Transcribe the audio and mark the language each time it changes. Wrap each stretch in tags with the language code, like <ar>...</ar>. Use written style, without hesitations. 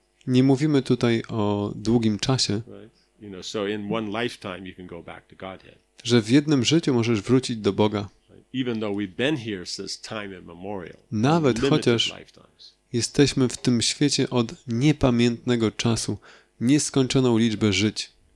<pl>Nie mówimy tutaj o długim czasie.</pl> <en>Right? You know, so in one lifetime you can go back to Godhead.</en> <pl>Że w jednym życiu możesz wrócić do Boga.</pl> <en>Even though we've been here since time immemorial.</en> <pl>Nawet chociaż jesteśmy w tym świecie od niepamiętnego czasu, nieskończoną liczbę żyć.</pl>